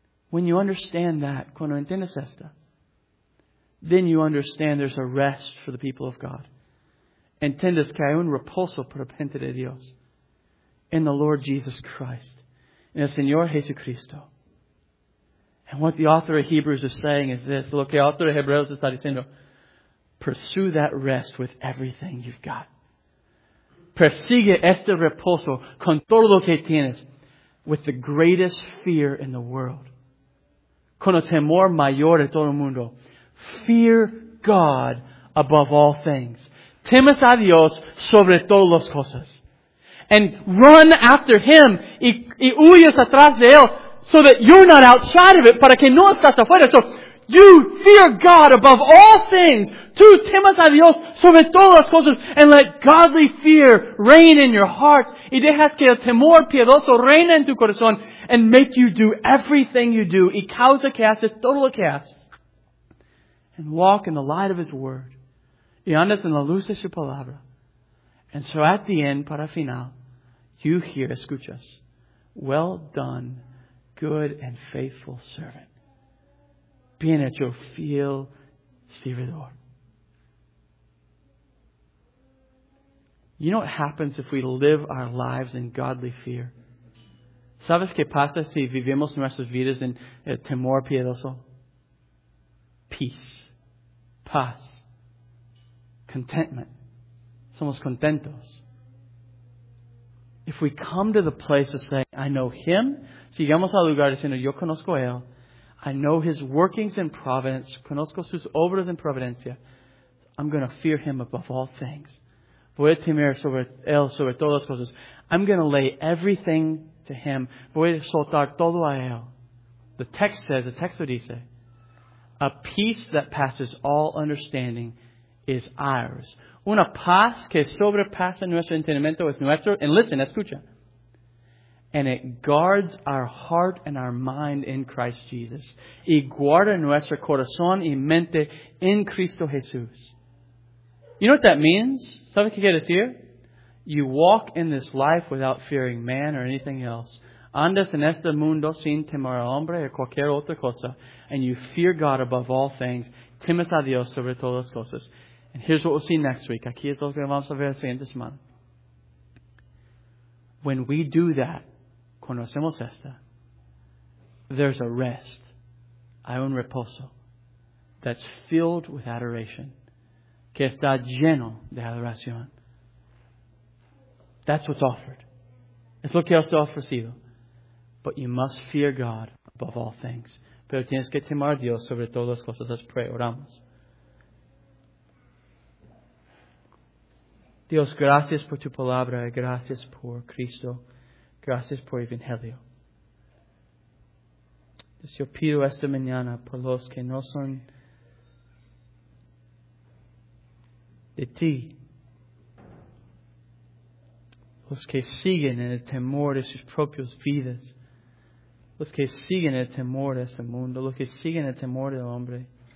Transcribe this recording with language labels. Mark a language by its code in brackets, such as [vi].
[en] When you understand that, [es] cuando entiendes esto, [en] then you understand there's a rest for the people of God. [es] Entiendes que hay un reposo para gente de Dios. [en] In the Lord Jesus Christ. [es] In el Señor Jesucristo. [en] And what the author of Hebrews is saying is this. [es] Lo que el autor de Hebreos está diciendo. [en] Pursue that rest with everything you've got. [es] Persigue este reposo con todo lo que tienes. [en] With the greatest fear in the world. [es] Con el temor mayor de todo el mundo. [en] Fear God above all things. [es] Temes a Dios sobre todas las cosas. [en] And run after Him. [es] Y huyes atrás de Él. [en] So that you're not outside of it. [es] Para que no estás afuera. [en] So you fear God above all things. [es] Tú temes a Dios sobre todas las cosas. [en] And let godly fear reign in your heart. [es] Y dejas que el temor piadoso reine en tu corazón. [en] And make you do [es] everything you do. Y causa que haces todo lo que haces. [en] And walk in the light of His Word. [es] Y andas en la luz de su palabra. [en] And so at the end, [es] para final, [en] you hear, [es] escuchas, [en] well done, good and faithful servant. [es] Bien hecho, fiel servidor. [en] You know what happens if we live our lives in godly fear? [es] ¿Sabes qué pasa si vivimos nuestras vidas en el temor piadoso? [en] Peace. [es] Paz. contentment. Somos contentos. [en] If we come to the place of saying, I know Him, [es] si llegamos al lugar diciendo, yo conozco a Él, [en] I know His workings in providence, [es] conozco sus obras en providencia, [en] I'm going to fear Him above all things. [es] Voy a temer sobre Él, sobre todas las cosas. [en] I'm going to lay everything to Him. [es] Voy a soltar todo a Él. [en] The [es] texto dice, [en] a peace that passes all understanding is ours. [es] Una paz que sobrepasa nuestro entendimiento es nuestro. [en] And listen, [es] escucha. [en] And it guards our heart and our mind in Christ Jesus. [es] Y guarda nuestro corazón y mente en Cristo Jesús. [en] You know what that means? [es] ¿Sabes qué quiere decir? [en] You walk in this life without fearing man or anything else. [es] Andas en este mundo sin temor al hombre o cualquier otra cosa. [en] And you fear God above all things. [es] Temes a Dios sobre todas las cosas. [en] And here's what we'll see next week. [es] Aquí es lo que vamos a ver la siguiente semana. [en] When we do that, [es] cuando hacemos esta, [en] there's a rest. [es] Hay un reposo [en] that's filled with adoration. [es] Que está lleno de adoración. [en] That's what's offered. [es] Es lo que está ofrecido. [en] But you must fear God above all things. [es] Pero tienes que temer a Dios sobre todas las cosas. [en] Let's pray. [es] Oramos. Dios, gracias por tu palabra. Gracias por Cristo. Gracias por el Evangelio. Entonces yo pido esta mañana por los que no son de ti, los que siguen en el temor de sus propias vidas, los que siguen el temor de este mundo, los que siguen el temor del hombre,